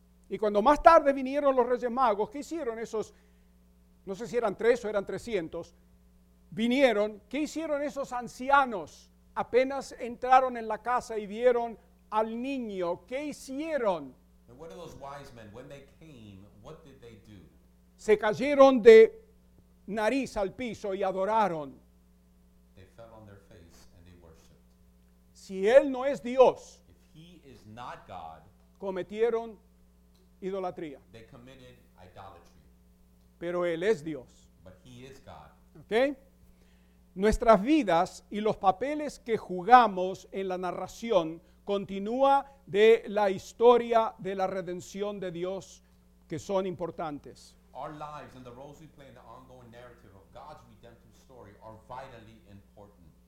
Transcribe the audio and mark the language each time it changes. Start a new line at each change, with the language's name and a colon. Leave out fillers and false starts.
Spanish: Y cuando más tarde vinieron los Reyes Magos, ¿qué hicieron esos? No sé si eran 300. Vinieron, ¿qué hicieron esos ancianos? Apenas entraron en la casa y vieron al niño, ¿qué hicieron?
English: What are those wise men, when they came, what did they do?
Spanish: Se cayeron de nariz al piso y adoraron.
English: They fell on their face and they worshiped.
Spanish: Si él no es Dios,
English: if he is not God,
Spanish: cometieron idolatría.
English: They committed idolatry.
Spanish: Pero él es Dios.
English: But he is God. Okay?
Spanish: Nuestras vidas y los papeles que jugamos en la narración continúa de la historia de la redención de Dios, que son importantes.
English: Our lives and the roles we play in the ongoing narrative of God's redemptive story are vitally important.